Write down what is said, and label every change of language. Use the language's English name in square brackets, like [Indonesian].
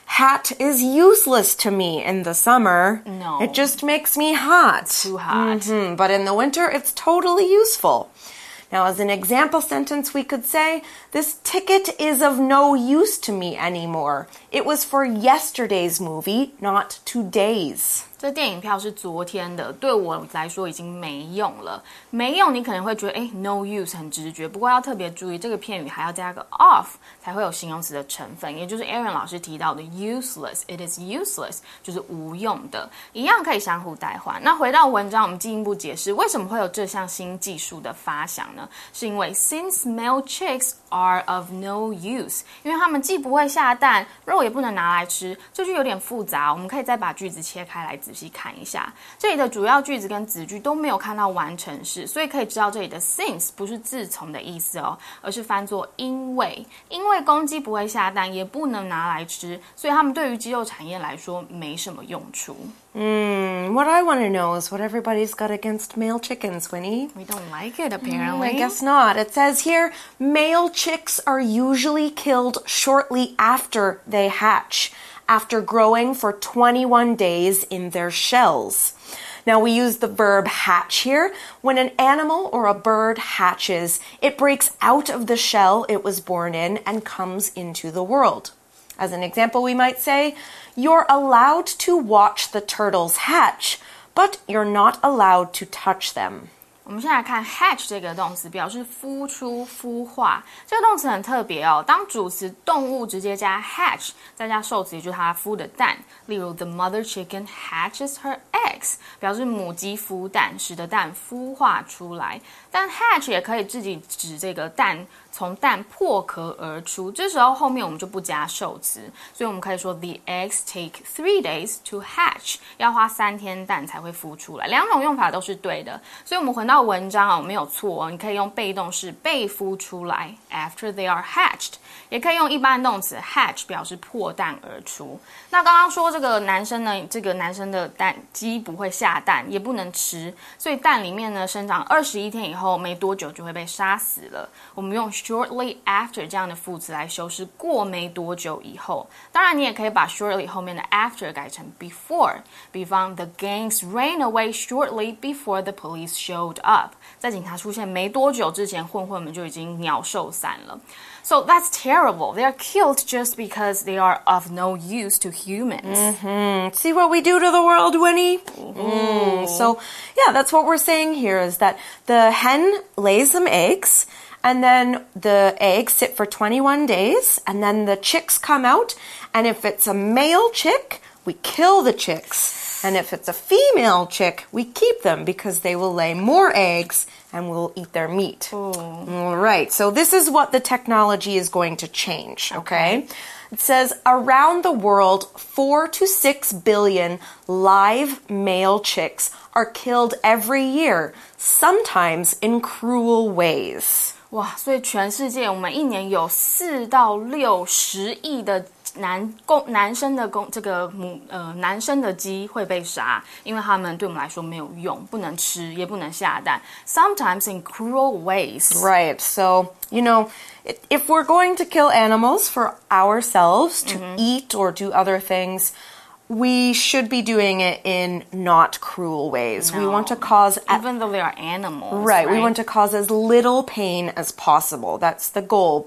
[English] hat is useless to me in the summer. No. It just makes me hot. Too hot. Mm-hmm. But in the winter, it's totally useful. Now, as an example sentence, we could say, this ticket is of no use to me anymore. It was for yesterday's movie, not today's. [Chinese] 这电影票是昨天的，对我来说已经没用了。没用你可能会觉得，no use 很直觉，不过要特别注意，这个片语还要加个 of 才会有形容词的成分，也就是 Aaron 老师提到的 useless, it is useless, 就是无用的，一样可以相互代换。那回到文章，我们进一步解释为什么会有这项新技术的发想呢？是因为 since male chicks are of no use, 因为他们既不会下蛋，肉也不能拿来吃，这句有点复杂，我们可以再把句子切开来仔细看一下，这里的主要句子跟子句都没有看到完成式，所以可以知道这里的 since 不是自从的意思哦，而是翻作因为。因为公鸡不会下蛋，也不能拿来吃，所以他们对于鸡肉产业来说没什么用处。 [English] What I want to know is what everybody's got against male chickens, Winnie. We don't like it, apparently. I guess not. It says here, male chicks are usually killed shortly after they hatch. After growing for 21 days in their shells. Now we use the verb hatch here. When an animal or a bird hatches, it breaks out of the shell it was born in and comes into the world. As an example, we might say, you're allowed to watch the turtles hatch, but you're not allowed to touch them. [Chinese] 我们先来看 hatch 这个动词，表示孵出、孵化。这个动词很特别哦，当主词动物直接加 hatch， 再加受词，也就是它孵的蛋。例如 ， the mother chicken hatches her eggs，表示母鸡孵蛋，使得蛋孵化出来。但 hatch 也可以自己指这个蛋，从蛋破壳而出。这时候后面我们就不加受词，所以我们可以说 the eggs take 3 days to hatch，要花三天蛋才会孵出来。两种用法都是对的，所以我们回到文章哦，没有错哦，你可以用被动式被孵出来 after they are hatched，也可以用一般动词 hatch 表示破蛋而出。那刚刚说这个男生呢，这个男生的蛋鸡不会下蛋，也不能吃，所以蛋里面呢生长21天以后没多久就会被杀死了。我们用 shortly after 这样的副词来修饰过没多久以后。当然你也可以把 shortly 后面的 after 改成 before， 比方 the gangs ran away shortly before the police showed up. 在警察出现没多久之前，混混们就已经鸟兽散了。 [English] So that's terrible. They are killed just because they are of no use to humans. Mm-hmm. See what we do to the world, Winnie? So, yeah, that's what we're saying here is that the hen lays some eggs, and then the eggs sit for 21 days, and then the chicks come out, and if it's a male chick, we kill the chicks. And if it's a female chick, we keep them because they will lay more eggs and we'll eat their meat. Ooh. All right, so this is what the technology is going to change, okay? It says, around the world, 4 to 6 billion live male chicks are killed every year, sometimes in cruel ways. [Chinese] 哇，所以全世界我们一年有4到6十亿的男生的鸡会被杀，因为他们对我们来说没有用，不能吃，也不能下蛋。 [English] Sometimes in cruel ways. Right. So, you know, if we're going to kill animals for ourselves to eat or do other things, we should be doing it in not cruel ways. No. We want to cause... Even though they are animals, right? We want to cause as little pain as possible. That's the goal.